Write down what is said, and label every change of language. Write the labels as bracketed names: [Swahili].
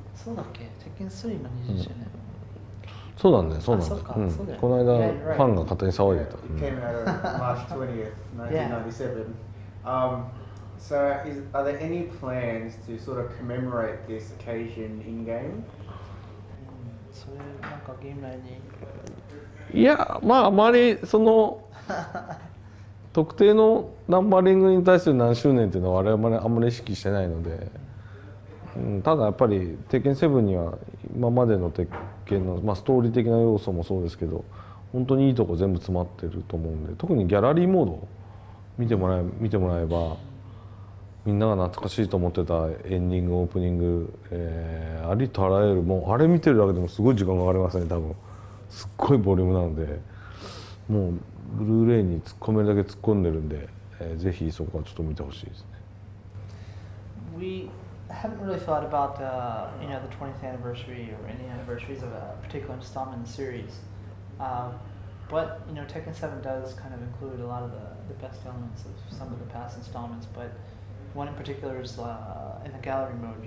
[Japanese] そうだっけ、鉄拳3の20周年、うん、そうなんだよ、そうなんだよ、うん、この間ファンが勝手に騒いでた。 [English] It came out on March 20th, 1997. So, are there any plans to sort of commemorate this occasion in-game? [Japanese] それなんかゲーム内に、いや、まああまりその特定のナンバリングに対する何周年っていうのは我々あんまり意識してないので、うん、ただやっぱり鉄拳7には今までの鉄拳の、まあ、ストーリー的な要素もそうですけど本当にいいとこ全部詰まってると思うんで、特にギャラリーモード見てもらえば、みんなが懐かしいと思ってたエンディング、オープニング、ありとあらゆる、もうあれ見てるだけでもすごい時間がかかりますね、多分すっごいボリュームなので、もうブルーレイに突っ込めるだけ突っ込んでるんで、ぜひそこはちょっと見てほしいですね。 [English] We haven't really thought about the, you know, the 20th anniversary or any anniversaries of a particular installment in the series、but you know, Tekken 7 does kind of include a lot of the best elements of some of the past installments, butOne in particular is in the gallery mode.